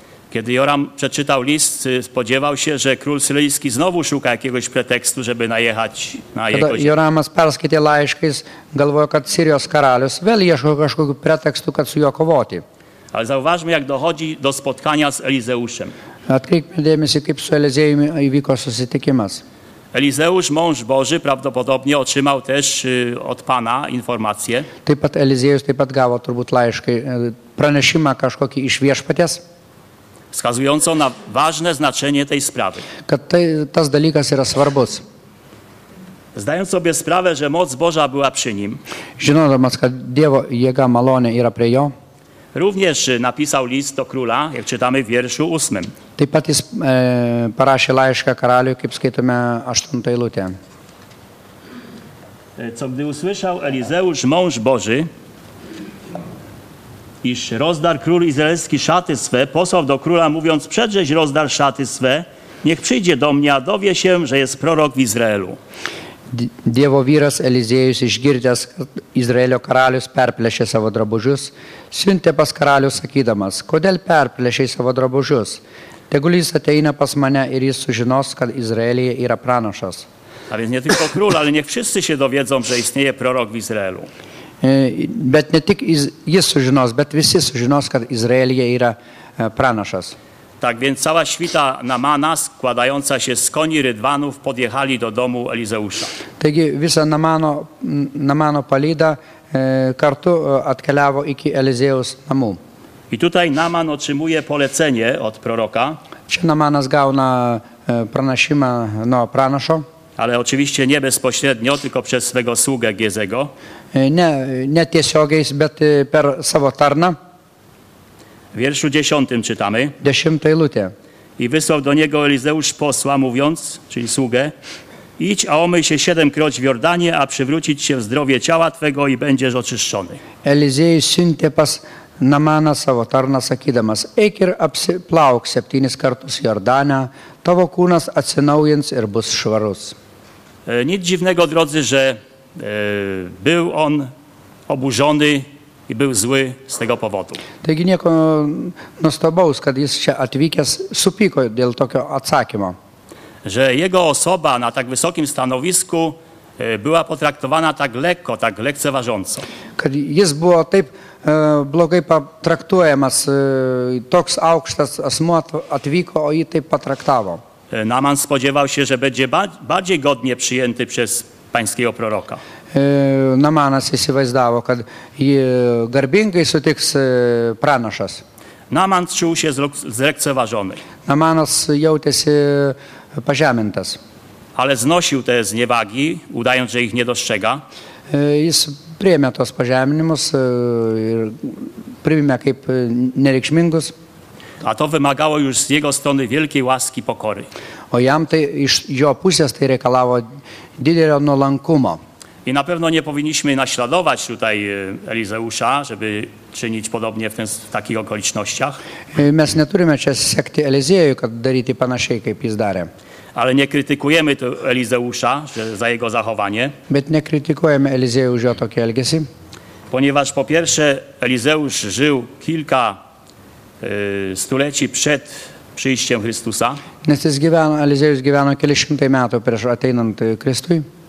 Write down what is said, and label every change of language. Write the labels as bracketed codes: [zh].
[pl] Kiedy Joram przeczytał list, spodziewał się, że król syryjski znowu szuka jakiegoś pretekstu, żeby najechać na jego ziemię. [lt] Joramas perskaitė laišką, jis galvojo, kad Sirijos karalius vėl ieško kažkokių pretekstų, kad su juo kovoti. [pl] Ale zauważmy, jak dochodzi do spotkania z Elizeuszem. [lt] Atkreipkime dėmesį, kaip su Elizejumi įvyko susitikimas. [pl] Elizeusz, mąż Boży, prawdopodobnie otrzymał też od Pana informację. [lt] Taip pat Elizejus taip pat gavo turbūt laišką, pranešimą kažkokį iš viešpaties. [pl] Wskazującą na ważne znaczenie tej sprawy. [lt] Kad tas dalykas yra svarbus. [pl] Zdając sobie sprawę, że moc Boża była przy nim. [lt] Žinodamas, kad Dievo jėga malonė yra prie jo. [pl] Również napisał list do króla, jak czytamy w wierszu ósmym. [lt] Taip pat jis parašė laišką karaliui, kaip skaitome aštuntą eilutę. [pl] Co gdy usłyszał Elizeusz, mąż Boży, iż rozdar król izraelski szaty swe, posłał do króla, mówiąc, przedrzeź rozdar szaty swe, niech przyjdzie do mnie, a dowie się, że jest prorok w Izraelu. [lt] Dievo vyras Eliziejus, išgirdęs, kad Izraelio karalius perplėšė savo drabužius, siuntė pas karalius sakydamas, kodėl perplėšė savo drabužius. Tegul jis ateina pas mane ir jis sužinos, kad Izraelyje yra pranašas. [pl] A więc nie tylko król, ale niech wszyscy się dowiedzą, że istnieje prorok w Izraelu. [lt] Bet ne tik jis sužinos, bet visi sužinos, kad Izraelyje yra pranašas. [pl] Tak więc cała świta Namana, składająca się z koni rydwanów, podjechali do domu Elizeusza. [lt] Taigi visa Namano palida kartu atkeliavo iki Elizeus namu. [pl] I tutaj Naman otrzymuje polecenie od proroka. [lt] Čia Namanas gauna pranašimą nuo pranašo. [pl] Ale oczywiście nie bezpośrednio, tylko przez swego sługę Giezego. [lt] Nie tiesiogiai, bet per savo tarną. [pl] W wierszu dziesiątym czytamy. [lt] Dziesiąta eilutė. [pl] I wysłał do niego Elizeusz posła, mówiąc, czyli sługę, idź, a omyj się siedemkroć w Jordanie, a przywrócić się w zdrowie ciała twego i będziesz oczyszczony. [lt] Elizeusz siuntė pas Namaną savo tarną, sakydamas, eik ir apsiplauk septynis kartus Jordane, tavo kūnas atsinaujins ir bus švarus. [pl] Nic dziwnego, drodzy, że był on oburzony i był zły z tego powodu. [lt] Taigi nieko nuostabaus, kad jis čia atvykęs supyko dėl tokio atsakymo. [pl] Że jego osoba na tak wysokim stanowisku była potraktowana tak lekko, tak lekceważąco. [lt] Kad jis buvo taip blogai traktuojamas, toks aukštas asmuo atvyko, o jį taip patraktavo. [pl] Naman spodziewał się, że będzie bardziej godnie przyjęty przez pańskiego proroka. [lt] Namanas įsivaizdavo, kad jį garbingai sutiks pranašas. [pl] Naman čiūl się zlekceważony. [lt] Namanas jautėsi pažemintas. [pl] Ale znosił te zniewagi, udając, że ich nie dostrzega. [lt] Jis priėmė tos pažeminimus ir priėmė kaip nereikšmingus. [pl] A to wymagało już z jego strony wielkiej łaski pokory. [lt] O jam tai iš jo pusės tai reikalavo didelio nuolankumo. [pl] I na pewno nie powinniśmy naśladować tutaj Elizeusza, żeby czynić podobnie w takich okolicznościach. [lt] Mes neturime čia sekti Elizėjų, kad daryti panašiai, kaip jis darė. [pl] Ale nie krytykujemy tu Elizeusza za jego zachowanie. Bet nie krytykujemy Elizeusza [lt] o tokie elgesi. [pl] Ponieważ po pierwsze Elizeusz żył kilka stuleci przed przyjściem Chrystusa. [lt] Nes jis gyveno, Elizeus gyveno keli šimtai metų prieš ateinant Kristui.